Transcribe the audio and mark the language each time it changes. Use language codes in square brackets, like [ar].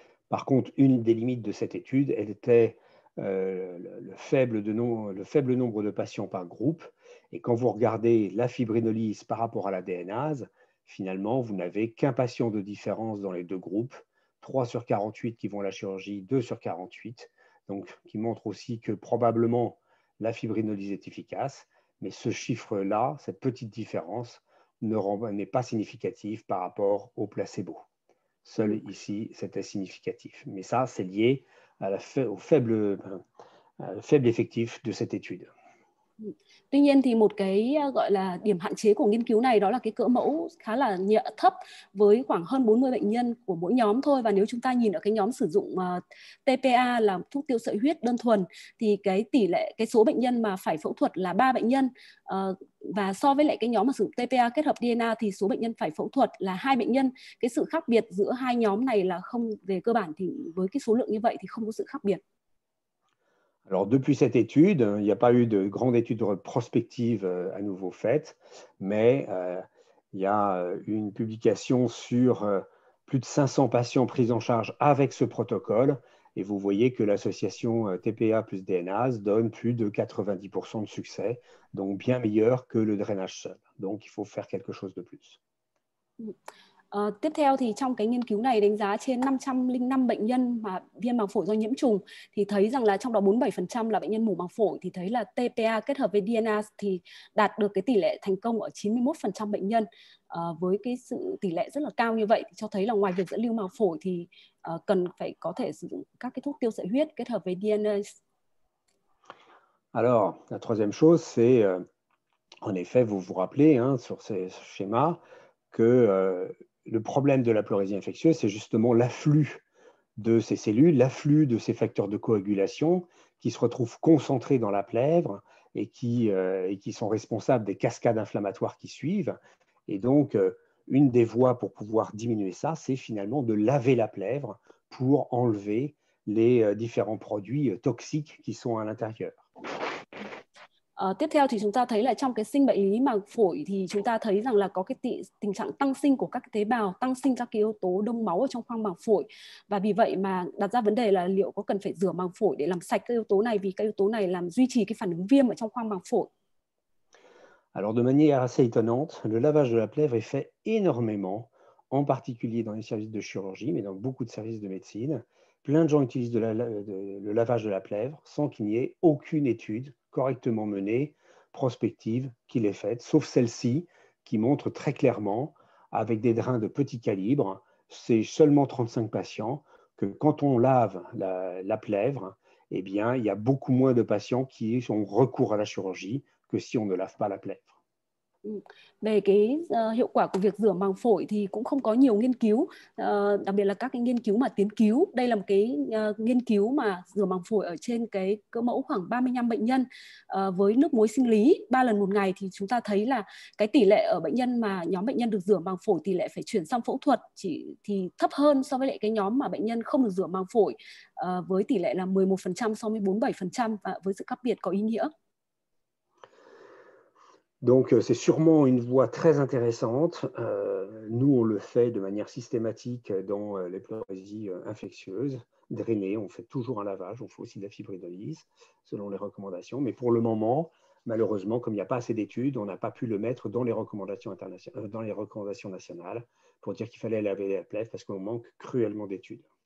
[fr] Par contre, une des limites de cette étude elle était le faible nombre de patients par groupe et quand vous regardez la fibrinolyse par rapport à la DNA, finalement vous n'avez qu'un patient de différence dans les deux groupes. 3 sur 48 qui vont à la chirurgie, 2 sur 48, donc qui montre aussi que probablement la fibrinolyse est efficace, mais ce chiffre-là, cette petite différence, n'est pas significative par rapport au placebo. Seul ici, c'était significatif. Mais ça, c'est lié au faible effectif de cette étude. [vi] Tuy nhiên thì một cái gọi là điểm hạn chế của nghiên cứu này đó là cái cỡ mẫu khá là nhỏ thấp với khoảng hơn 40 bệnh nhân của mỗi nhóm thôi và nếu chúng ta nhìn ở cái nhóm sử dụng TPA là thuốc tiêu sợi huyết đơn thuần thì cái tỷ lệ cái số bệnh nhân mà phải phẫu thuật là 3 bệnh nhân và so với lại cái nhóm mà sử dụng TPA kết hợp DNA thì số bệnh nhân phải phẫu thuật là 2 bệnh nhân. Cái sự khác biệt giữa hai nhóm này là không về cơ bản thì với cái số lượng như vậy thì không có sự khác biệt. [fr] Alors, depuis cette étude, il n'y a pas eu de grande étude prospective à nouveau faite, mais il y a une publication sur plus de 500 patients pris en charge avec ce protocole. Et vous voyez que l'association TPA plus DNA donne plus de 90% de succès, donc bien meilleur que le drainage seul. Donc, il faut faire quelque chose de plus. [vi] Tiếp theo thì trong cái nghiên cứu này đánh giá trên 505 bệnh nhân mà viêm màng phổi do nhiễm trùng thì thấy rằng là trong đó 47% là bệnh nhân mủ màng phổi thì thấy là TPA kết hợp với DNA thì đạt được cái tỷ lệ thành công ở 91% bệnh nhân với cái sự tỷ lệ rất là cao như vậy thì cho thấy là ngoài việc dẫn lưu màng phổi thì cần phải có thể sử dụng các cái thuốc tiêu sợi huyết kết hợp với DNA. [fr] Alors, la troisième chose c'est en effet vous vous rappelez hein, sur ce schéma que le problème de la pleurésie infectieuse, c'est justement l'afflux de ces cellules, l'afflux de ces facteurs de coagulation qui se retrouvent concentrés dans la plèvre et qui sont responsables des cascades inflammatoires qui suivent. Et donc, une des voies pour pouvoir diminuer ça, c'est finalement de laver la plèvre pour enlever les différents produits toxiques qui sont à l'intérieur. [vi] Tiếp theo thì chúng ta thấy là trong cái sinh bệnh lý màng phổi thì chúng ta thấy rằng là có cái tình trạng tăng sinh của các cái tế bào, tăng sinh các cái yếu tố đông máu ở trong khoang màng phổi. Và vì vậy mà đặt ra vấn đề là liệu có cần phải rửa màng phổi để làm sạch các yếu tố này vì các yếu tố này làm duy trì cái phản ứng viêm ở trong khoang màng phổi. [fr] Alors de manière assez étonnante, le lavage de la plèvre est fait énormément, en particulier dans les services de chirurgie, mais dans beaucoup de services de médecine. Plein de gens utilisent le lavage de la plèvre sans qu'il n'y ait aucune étude correctement menée, prospective, qui l'ait faite, sauf celle-ci qui montre très clairement, avec des drains de petit calibre, c'est seulement 35 patients, que quand on lave la plèvre, eh bien, il y a beaucoup moins de patients qui ont recours à la chirurgie que si on ne lave pas la plèvre. [vi] Về cái hiệu quả của việc rửa màng phổi thì cũng không có nhiều nghiên cứu, đặc biệt là các cái nghiên cứu mà tiến cứu. Đây là một cái nghiên cứu mà rửa màng phổi ở trên cái cơ mẫu khoảng 35 bệnh nhân với nước muối sinh lý 3 lần một ngày, thì chúng ta thấy là cái tỷ lệ ở bệnh nhân mà nhóm bệnh nhân được rửa màng phổi tỷ lệ phải chuyển sang phẫu thuật thì thấp hơn so với lại cái nhóm mà bệnh nhân không được rửa màng phổi với tỷ lệ là 11% so với 47%, và với sự khác biệt có ý nghĩa. [fr] Donc, c'est sûrement une voie très intéressante. Nous, on le fait de manière systématique dans les pleurésies infectieuses, drainées. On fait toujours un lavage, on fait aussi de la fibrinolyse, selon les recommandations. Mais pour le moment, malheureusement, comme il n'y a pas assez d'études, on n'a pas pu le mettre dans les recommandations internationales, dans les recommandations nationales pour dire qu'il fallait laver la plèvre parce qu'on manque cruellement d'études.